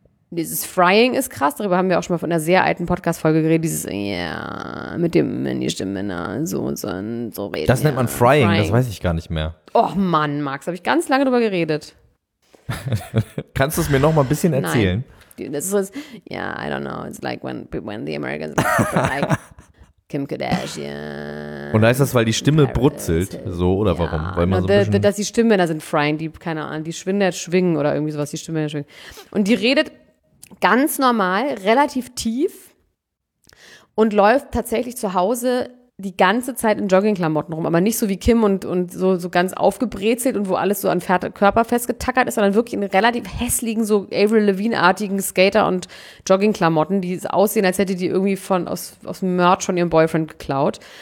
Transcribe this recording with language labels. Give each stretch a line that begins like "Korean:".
German: Dieses Frying ist krass. Darüber haben wir auch schon mal von einer sehr alten Podcast-Folge geredet. Dieses, yeah, mit dem, wenn die Stimme na, so reden. Das nennt man Frying, das weiß ich gar nicht mehr. Oh Mann, Max, habe ich ganz lange drüber geredet. Kannst du es mir noch mal ein bisschen erzählen? Nein.
English: Dude, this is, yeah, I don't know. It's like when the Americans like Kim Kardashian.
German: Und heißt das, weil die Stimme Paris brutzelt? So, oder ja. Warum? Weil man so dass die Stimmen da sind, frying, die, keine Ahnung, die Schwindel schwingen oder irgendwie sowas, die Stimmen schwingen. Und die redet ganz normal, relativ tief und läuft tatsächlich zu Hause die ganze Zeit in Joggingklamotten rum, aber nicht so wie Kim und so ganz aufgebrezelt und wo alles so an Körper festgetackert ist, sondern wirklich in relativ hässlichen, so Avril Lavigne-artigen Skater- und Joggingklamotten, die aussehen, als hätte die irgendwie aus dem Merch von ihrem Boyfriend geklaut.